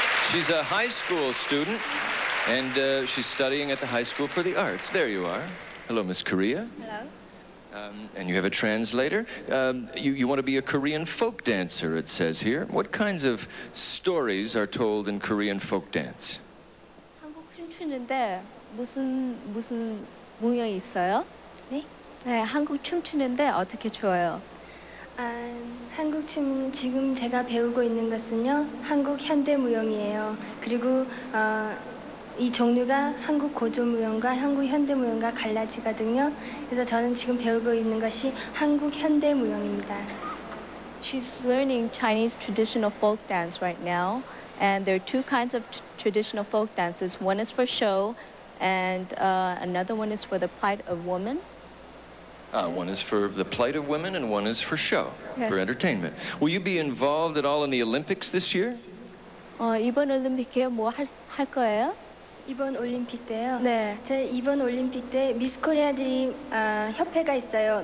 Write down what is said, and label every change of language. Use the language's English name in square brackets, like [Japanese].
[English] She's a high school student, and she's studying at the High School for the Arts. There you are. Hello, Miss Korea. Hello. And you have a translator. You want to be a Korean folk dancer, it says here. What kinds of stories are told in Korean folk dance? [Korean] 한국 춤추는데 무슨 공연이 있어요? 네? 네, 한국 춤추는데 어떻게 추어요? 한국 춤 지금 제가 배우고 있는 것은요 한국 현대 무용이에요. 그리고 이 종류가 한국 고조 무용과 한국 현대 무용과 갈라지거든요. 그래서 저는 지금 배우고 있는 것이 한국 현대 무용입니다. [English] She's learning Chinese traditional folk dance right now, and there are two kinds of traditional folk dances. One is for show, and another one is for the plight of woman. One is for the plight of women, and one is for show, yes. For entertainment. Will you be involved at all in the Olympics this year? [Korean] 이번 올림픽에 뭐 할 거예요? 이번 올림픽 때요? 네. 제 이번 올림픽 때 미스 코리아들이 협회가 있어요.